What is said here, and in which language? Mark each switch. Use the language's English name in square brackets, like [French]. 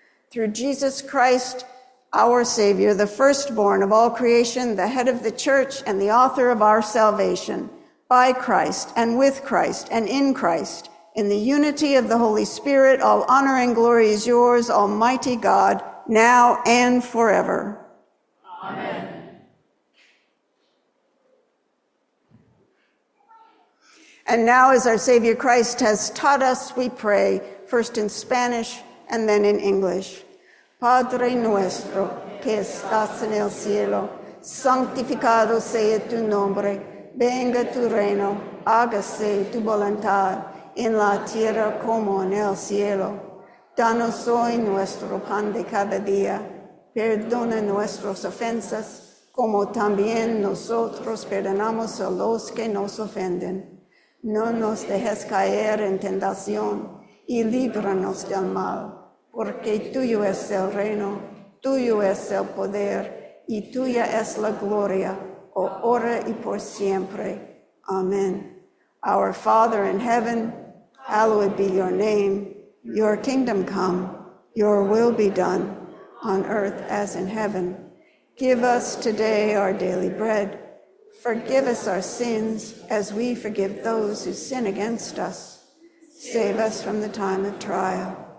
[English] Through Jesus Christ, our Savior, the firstborn of all creation, the head of the church and the author of our salvation, by Christ and with Christ and in Christ, in the unity of the Holy Spirit, all honor and glory is yours, Almighty God, now and forever. Amen. And now, as our Savior Christ has taught us, we pray, first in Spanish and then in English. [Spanish] Padre nuestro, que estás en el cielo, santificado sea tu nombre, venga tu reino, hágase tu voluntad, en la tierra como en el cielo. Danos hoy nuestro pan de cada día. Perdona nuestras ofensas, como también nosotros perdonamos a los que nos ofenden. No nos dejes caer en tentación, y líbranos del mal. Porque tuyo es el reino, tuyo es el poder, y tuya es la gloria, ahora y por siempre. Amen. [English] Our Father in heaven, hallowed be your name. Your kingdom come, your will be done, on earth as in heaven. Give us today our daily bread. Forgive us our sins, as we forgive those who sin against us. Save us from the time of trial,